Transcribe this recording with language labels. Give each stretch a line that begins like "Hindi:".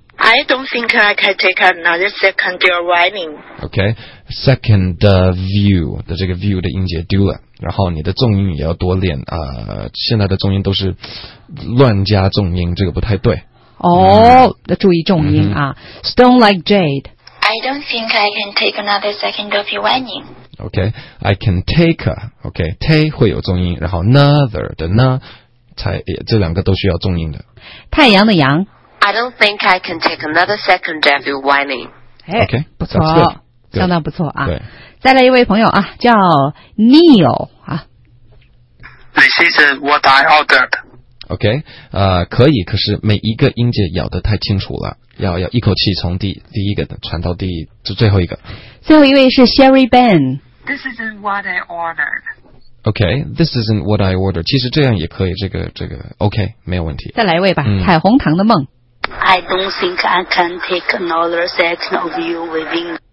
English: I don't think I can take another second of your whining.
Chinese: OK,
English: second view
Chinese: 的这个 view 的音节丢了。然后你的重音也要多练啊、现在的重音都是乱加重音，这个不太对。哦、要注意重音、嗯、
English: 啊。Stone like jade. I don't think I can take another second of your whining.
Chinese: OK,
English: I can take,
Chinese: OK, take 会有重音，然后 another 的呢才这两个都需要重音的。太阳的阳。
English: I don't think I can take another second of your whining. OK,
Chinese: 不错。相当不错啊！对，再来一位朋友啊，叫 Neil 啊。
English: This is what I ordered.
Chinese: OK, 可以，可是每一个音节咬得太清楚了，要一口气从第一个传到第就最后一个。最后一位是 Sherry Ben.
English: This isn't what I ordered. OK, this isn't what I ordered.
Chinese: 其实这样也可以，这个 OK 没有问题。再来一位吧，嗯、彩虹糖的梦。
English: I don't think I can take another second of you living.